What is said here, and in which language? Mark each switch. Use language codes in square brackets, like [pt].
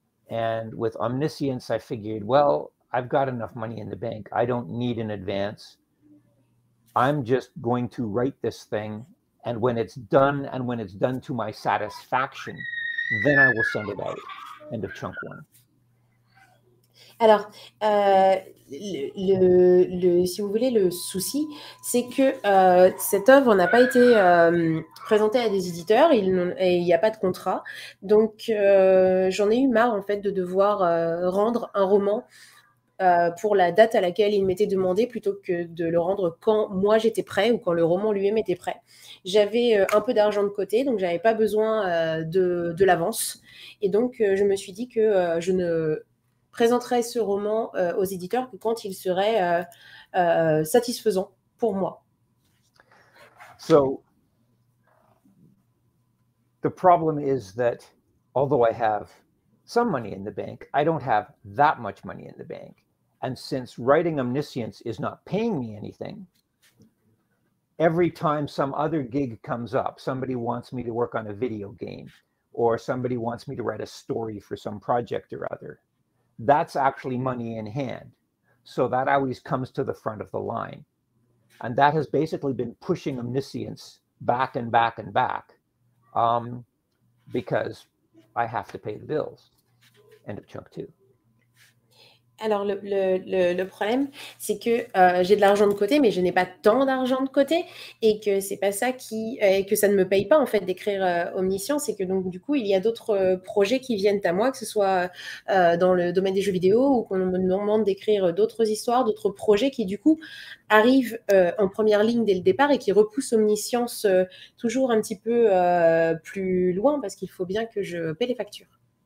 [en] And with Omniscience, I figured, well, I've got enough money in the bank. I don't need an advance. I'm just going to write this thing. And when it's done, and when it's done to my satisfaction, then I will send it out. End of chunk one. [fr] Alors, si vous voulez, le souci, c'est que cette œuvre n'a pas été présentée à des éditeurs, et il n'y a pas de contrat. Donc, j'en ai eu marre, en fait, de devoir rendre un roman pour la date à laquelle il m'était demandé, plutôt que de le rendre quand moi j'étais prêt ou quand le roman lui-même était prêt. J'avais un peu d'argent de côté, donc je n'avais pas besoin de l'avance. Et donc, je me suis dit que je ne présenterais ce roman aux éditeurs que quand il serait satisfaisant pour moi. [en] So, the problem is that, although I have some money in the bank, I don't have that much money in the bank. And since writing Omniscience is not paying me anything, every time some other gig comes up, somebody wants me to work on a video game, or somebody wants me to write a story for some project or other, that's actually money in hand. So that always comes to the front of the line. And that has basically been pushing Omniscience back and back and back, because I have to pay the bills. End of chunk two. [fr] Alors, le problème, c'est que j'ai de l'argent de côté, mais je n'ai pas tant d'argent de côté, et que c'est pas ça qui, et que ça ne me paye pas, en fait, d'écrire Omniscience, et que donc, du coup, il y a d'autres projets qui viennent à moi, que ce soit dans le domaine des jeux vidéo, ou qu'on me demande d'écrire d'autres histoires, d'autres projets qui, du coup, arrivent en première ligne dès le départ, et qui repoussent Omniscience toujours un petit peu plus loin, parce qu'il faut bien que je paie les factures.